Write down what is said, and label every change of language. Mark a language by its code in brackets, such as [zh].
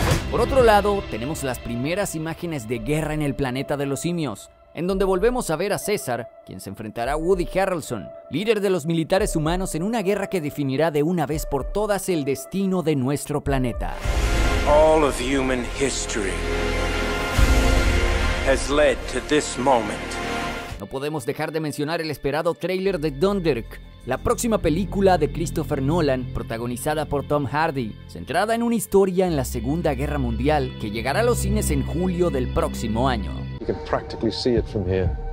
[es] Por otro lado, tenemos las primeras imágenes de guerra en el planeta de los simios, en donde volvemos a ver a César, quien se enfrentará a Woody Harrelson, líder de los militares humanos en una guerra que definirá de una vez por todas el destino de nuestro planeta. [en] All of human history has led to this moment. [es] No podemos dejar de mencionar el esperado tráiler de Dunkirk, la próxima película de Christopher Nolan, protagonizada por Tom Hardy, centrada en una historia en la Segunda Guerra Mundial que llegará a los cines en julio del próximo año. [en] You can practically see it from here.